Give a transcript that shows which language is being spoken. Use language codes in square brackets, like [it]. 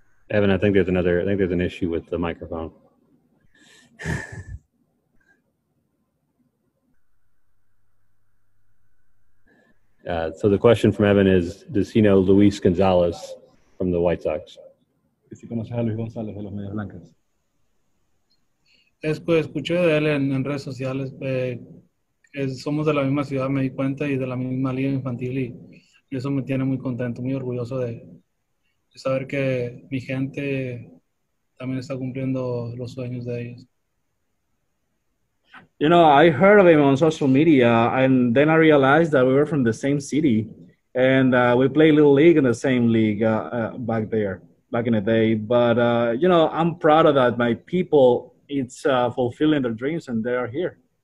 [en] Evan, I think there's another. I think there's an issue with the microphone. So the question from Evan is, does he know Luis Gonzalez from the White Sox? [es] ¿Si conoces a Luis González de los Medias Blancas? Escuché de él en redes sociales. Somos de la misma ciudad, me di cuenta, y de la misma liga infantil, y eso me tiene muy contento, muy orgulloso de saber que mi gente también está cumpliendo los sueños de ellos. [en] You know, I heard of him on social media, and then I realized that we were from the same city, and we played Little League in the same league back there, back in the day. But, you know, I'm proud of that. My people, it's fulfilling their dreams, and they are here.